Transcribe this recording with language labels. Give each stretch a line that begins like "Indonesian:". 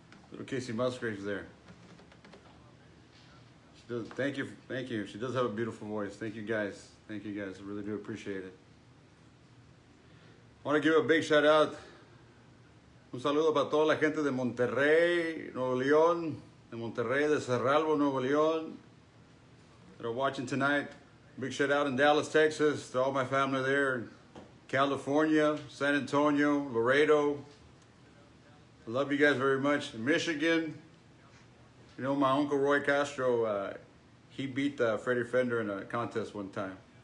English: Little Casey Musgraves there. She does, thank you. Thank you. She does have a beautiful voice. Thank you, guys. Thank you, guys. I really do appreciate it. I want to give a big shout out.
Spanish: Un saludo para toda la gente de Monterrey, Nuevo León. De Monterrey, de Cerralvo, Nuevo León.
English: That are watching tonight. Big shout out in Dallas, Texas to all my family there. California, San Antonio, Laredo. I love you guys very much. Michigan. You know, my Uncle Roy Castro, he beat Freddie Fender in a contest one time.